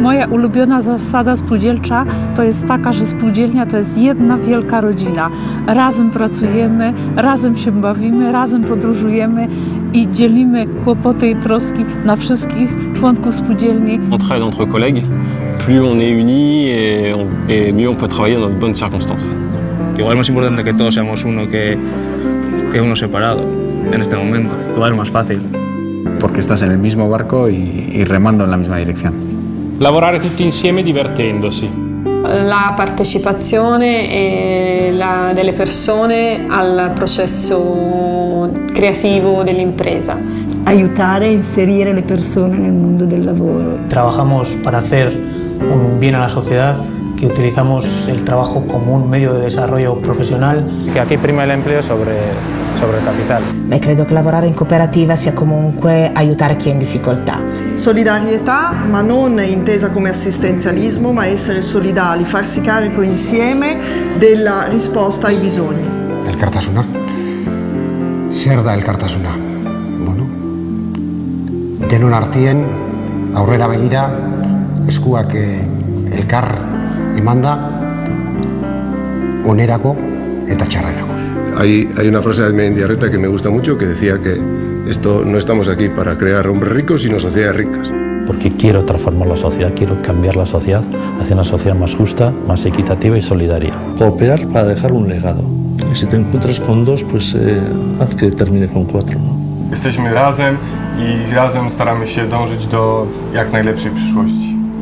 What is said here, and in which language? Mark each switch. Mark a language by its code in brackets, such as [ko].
[pl] Ulubiona zasada spółdzielcza to jest taka, że spółdzielnia to jest jedna wielka rodzina. Razem pracujemy, razem się bawimy, razem podróżujemy i dzielimy kłopoty i troski na wszystkich członków spółdzielni. [fr] On travaille entre collègues, plus on est unis et mieux on peut travailler dans de bonnes circonstances. [es] Igual es más importante que todos seamos uno que uno separado en este momento. Igual es más fácil. Porque estás en el mismo barco y remando en la misma dirección. [it] Lavorare tutti insieme divertendosi. La partecipazione delle persone al processo creativo dell'impresa. Aiutare e inserire le persone nel mondo del lavoro. [es] Trabajamos para hacer un bien a la sociedad, que utilizamos el trabajo como un medio de desarrollo profesional. Que aquí prima el empleo sobre el capital. Me creo que trabajar en cooperativa sea [it] comunque [es] ayudar a quien en dificultad. [it] Solidarietà, ma non intesa come assistenzialismo, ma essere solidali, farsi carico insieme della risposta ai bisogni. [eu] Elkartasuna. Zer da elkartasuna? Bueno, denon artien, aurrera begira, eskuak elkar emanda, onerako eta txarrerako. [es] Hay una frase de Mendiarreta que me gusta mucho, que decía que esto no estamos aquí para crear hombres ricos, sino sociedades ricas. Porque quiero transformar la sociedad, quiero cambiar la sociedad hacia una sociedad más justa, más equitativa y solidaria. Cooperar para dejar un legado. Y si te encuentras con dos, pues haz que termine con cuatro, ¿no? [pl] Jesteśmy razem i razem staramy się dążyć do jak najlepszej przyszłości.